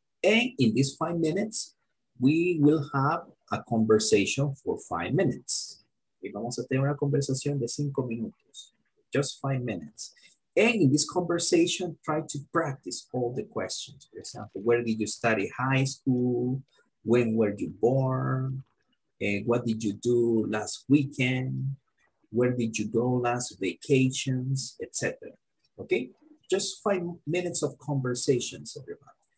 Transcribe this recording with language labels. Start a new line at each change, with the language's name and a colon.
English: And in these 5 minutes, we will have a conversation for 5 minutes.
Spanish: Y vamos a tener una conversación de 5 minutos.
English: Just 5 minutes. And in this conversation, try to practice all the questions. For example, where did you study high school? When were you born? What did you do last weekend? Where did you go last vacations, etc. Okay, just 5 minutes of conversations, everybody.